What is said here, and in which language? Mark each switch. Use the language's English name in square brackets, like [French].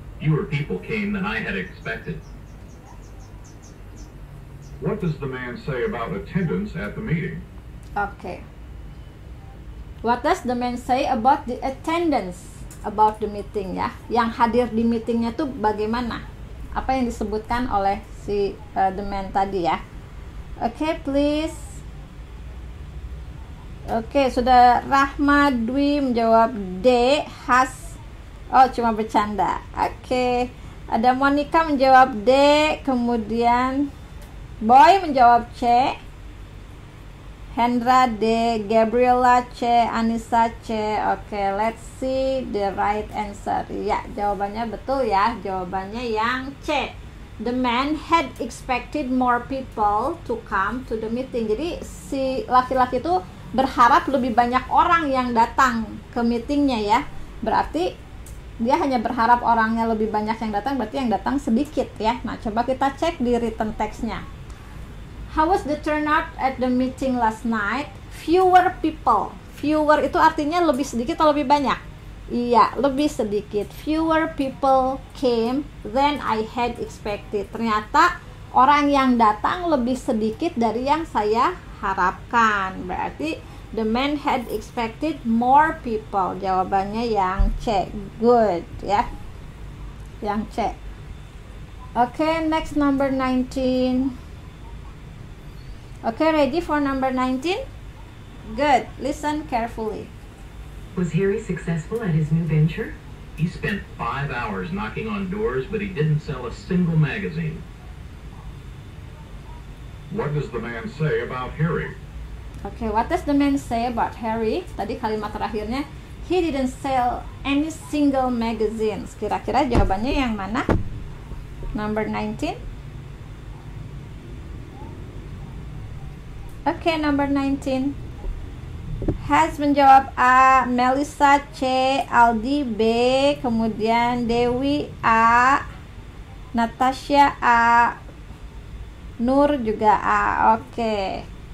[English] Fewer people came than I had expected. What does the man say about attendance at the meeting? Okay. What does the man say about the attendance about the meeting ya? [Indonesian] Yang hadir di meetingnya tuh bagaimana? Apa yang disebutkan oleh si the man tadi ya? [English] Okay, please. [Indonesian] Okay, sudah Rahma Dwi menjawab D, Has. Oh, cuma bercanda. Okay, ada Monica menjawab D, kemudian Boy menjawab C, Hendra D, Gabriela C, Anissa C. [English] Okay, let's see the right answer. [Indonesian] Ya, jawabannya betul ya. Jawabannya yang C. [English] The man had expected more people to come to the meeting. [Indonesian] Jadi si laki-laki itu berharap lebih banyak orang yang datang ke meetingnya ya. Berarti dia hanya berharap orangnya lebih banyak yang datang, berarti yang datang sedikit ya. Nah, coba kita cek di written text-nya. [English] How was the turnout at the meeting last night? Fewer people. [Indonesian] Fewer itu artinya lebih sedikit atau lebih banyak? Iya, lebih sedikit. [English] Fewer people came than I had expected. [Indonesian] Ternyata orang yang datang lebih sedikit dari yang saya harapkan. [English] Berarti the man had expected more people. [Indonesian] Jawabannya yang C. Good, ya. Yang C. [English] Okay, next number 19. Okay, ready for number 19? Good. Listen carefully. Was Harry successful at his new venture? He spent 5 hours knocking on doors, but he didn't sell a single magazine. What does the man say about Harry? Okay, what does the man say about Harry? [Indonesian] Tadi kalimat terakhirnya, [English] he didn't sell any single magazines. [Indonesian] Kira-kira jawabannya yang mana? [English] Number 19? [Indonesian] Okay, number 19. Has menjawab A, Melissa C, Aldi B, kemudian Dewi A, Natasha A, Nur juga A. Okay.